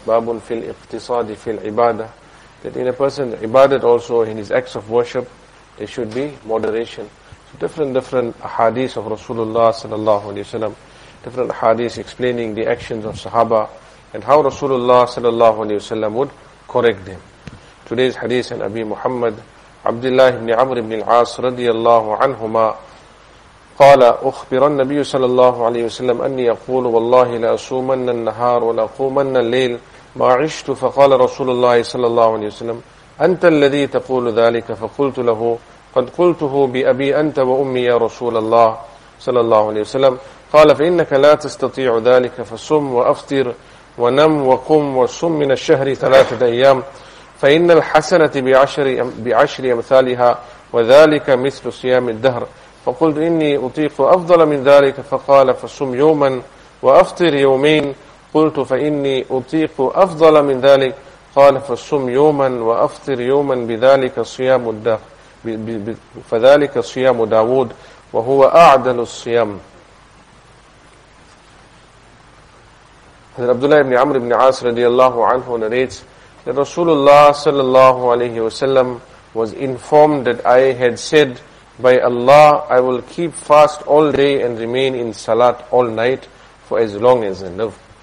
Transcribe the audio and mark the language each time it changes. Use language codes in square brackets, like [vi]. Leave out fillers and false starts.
[ar] Babun fil iqtisadi fil ibadah. [en] That in a person's ibadat also, in his acts of worship, there should be moderation. So different ahadith of Rasulullah sallallahu alayhi wa sallam. Different ahadith explaining the actions of Sahaba and how Rasulullah sallallahu alayhi wa sallam would correct them. Today's hadith on Abi Muhammad [ar] عبد الله بن عمرو بن العاص رضي الله عنهما قال أخبر النبي صلى الله عليه وسلم أني أقول والله لا أصومن النهار ولا أقومن الليل ما عشت فقال رسول الله صلى الله عليه وسلم أنت الذي تقول ذلك فقلت له قد قلته بأبي أنت وأمي يا رسول الله صلى الله عليه وسلم قال فإنك لا تستطيع ذلك فصم وأفطر ونم وقم وصم من الشهر ثلاثة أيام فَإِنَّ الْحَسَنَةِ بِعَشْرِ أَمْثَالِهَا وَذَلِكَ مِثْلُ صِيَامِ الدَّهْرِ فَقُلْتُ إِنِّي أُطِيقُ أَفْضَلَ مِنْ ذَلِكَ فَقَالَ فَصُمْ يَوْمًا وَأَفْطِرْ يَوْمَيْنِ قُلْتُ فَإِنِّي أُطِيقُ أَفْضَلَ مِنْ ذَلِكَ قَالَ فَصُمْ يَوْمًا وَأَفْطِرْ يَوْمًا بِذَلِكَ صِيَامُ الدَّهْرِ فَذَلِكَ صِيَامُ دَاوُودَ وَهُوَ أَعْدَلُ الصِّيَامِ. [en] عبد الله بن عمرو بن عاص [ar] رضي الله عنه [en] narrates that Rasulullah sallallahu alayhi wa sallam was informed that I had said, by Allah, I will keep fast all day and remain in salat all night for as long as I live.